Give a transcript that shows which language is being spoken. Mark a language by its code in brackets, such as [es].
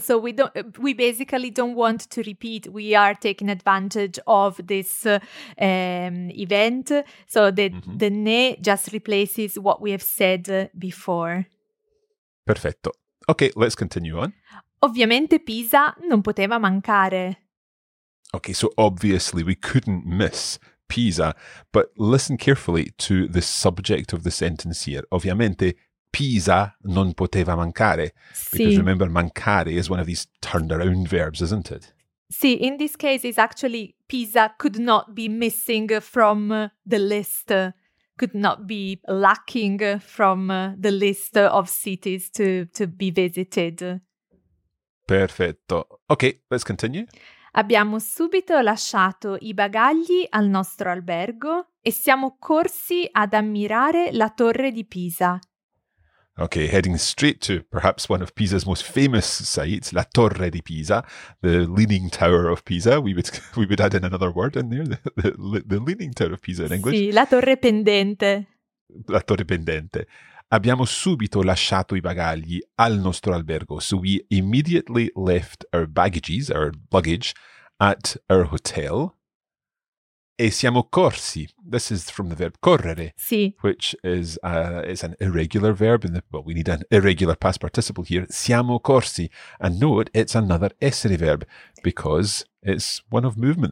[en] So we basically don't want to repeat. We are taking advantage of this event. So the ne just replaces what we have said before. [it] Perfetto. [en] Okay, let's continue on. [it] Ovviamente Pisa non poteva mancare. [en] Okay, so obviously we couldn't miss Pisa, but listen carefully to the subject of the sentence here. [it] Ovviamente Pisa non poteva mancare. Sì. [en] Because remember, mancare is one of these turned around verbs, isn't it? [it] Sì, [en] in this case it's actually Pisa could not be missing from the list, could not be lacking from the list of cities to be visited. [it] Perfetto. [en] Okay, let's continue. [it] Abbiamo subito lasciato i bagagli al nostro albergo e siamo corsi ad ammirare la torre di Pisa. [en] Okay, heading straight to perhaps one of Pisa's most famous sites, [it] la Torre di Pisa, [en] the Leaning Tower of Pisa. We would add in another word in there, the Leaning Tower of Pisa in English. [it] Sì, la Torre Pendente. La Torre Pendente. Abbiamo subito lasciato I bagagli al nostro albergo. [en] So we immediately left our baggages, our luggage, at our hotel. [it] E siamo corsi. [en] This is from the verb correre. [it] Sì. [en] Which is it's an irregular verb. We need an irregular past participle here. [it] Siamo corsi. [en] And note, it's another essere verb because it's one of movement.